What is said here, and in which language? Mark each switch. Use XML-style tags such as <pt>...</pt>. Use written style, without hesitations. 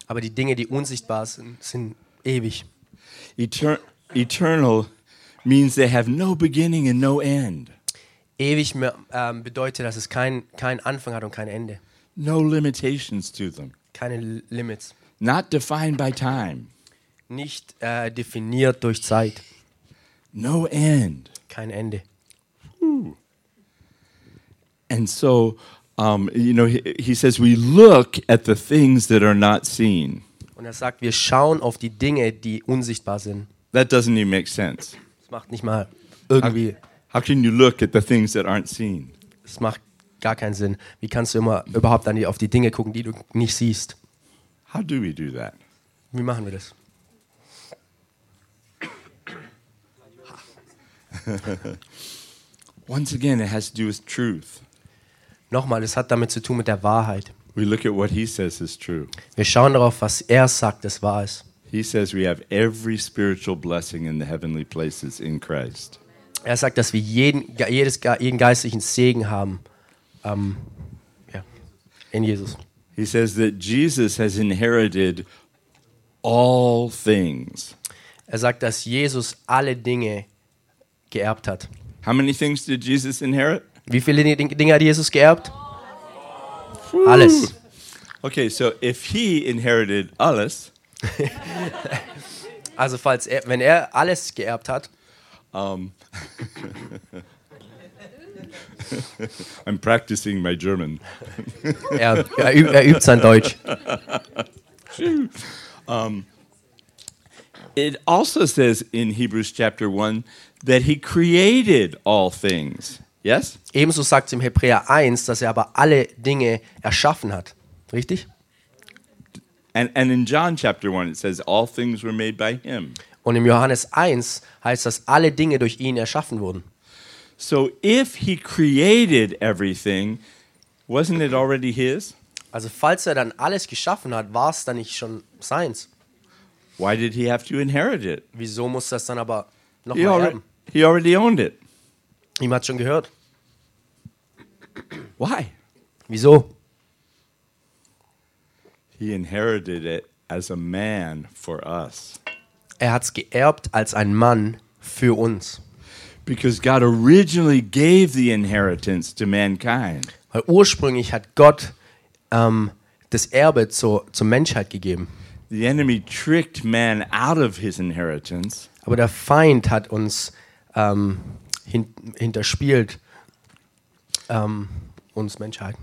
<de>Aber die Dinge, die unsichtbar sind, sind ewig.</de> <en>Eternal means they have no beginning and no end.</en> <de>Ewig bedeutet, dass es kein Anfang hat und kein Ende.</de> <en>No limitations to them.</en> <de>Keine Limits.</de> <en>Not defined by time.</en> <de>Nicht definiert durch Zeit.</de> <en>No end.</en> <de>Kein Ende.</de> <en>And so, you know, he says we look at the things that are not seen.</en> <de>Und er sagt, wir schauen auf die Dinge, die unsichtbar sind.</de> <en>That doesn't even make sense.</en> <de>Das macht nicht mal irgendwie.</de> <en>How can you look at the things that aren't seen?</en> <de>Das macht gar keinen Sinn. Wie kannst du immer überhaupt dann auf die Dinge gucken, die du nicht siehst?</de> <en>How do we do that?</en> <de>Wie machen wir das?</de> <en>Once again, it has to do with truth.</en> <de>Nochmal, es hat damit zu tun mit der Wahrheit.</de> <en>We look at what he says is true.</en> <de>Wir schauen darauf, was er sagt, das wahr ist.</de> <en>He says we have every spiritual blessing in the heavenly places in Christ.</en> <de>Er sagt, dass wir jeden geistlichen Segen haben, in Jesus.</de> <en>He says that Jesus has inherited all things.</en> <de>Er sagt, dass Jesus alle Dinge geerbt hat.</de> <en>How many things did Jesus inherit?</en> <de>Wie viele Dinge hat Jesus geerbt? Oh. Alles.</de> <en>Okay, so if he inherited</en> <de>alles, also falls er, wenn er alles geerbt hat,</de> <en>I'm practicing my German.</en> <de>er übt sein Deutsch.</de> <en>It also says in Hebrews chapter 1 that he created all things. Yes?</en> <de>Ebenso sagt es im Hebräer 1, dass er aber alle Dinge erschaffen hat. Richtig?</de> <en>And in John chapter 1 it says all things were made by him.</en> <de>Und im Johannes 1 heißt, dass alle Dinge durch ihn erschaffen wurden.</de> <en>So if he created everything, wasn't it already his?</en> <de>Also falls er dann alles geschaffen hat, war es dann nicht schon seins?</de> <en>Why did he have to inherit it?</en> <de>Wieso muss das dann aber nochmal erben?</de> <en>He already owned it.</en> <de>Ihm hat schon gehört.</de> <en>Why?</en> <de>Wieso?</de> <en>He inherited it as a man for us.</en> <de>Er hat's geerbt als ein Mann für uns.</de> <en>Because God originally gave the inheritance to mankind.</en> <de>Weil ursprünglich hat Gott das Erbe zur Menschheit gegeben.</de> <en>The enemy tricked man out of his inheritance.</en> <de>Aber der Feind hat uns hinterspielt uns Menschheit.</de>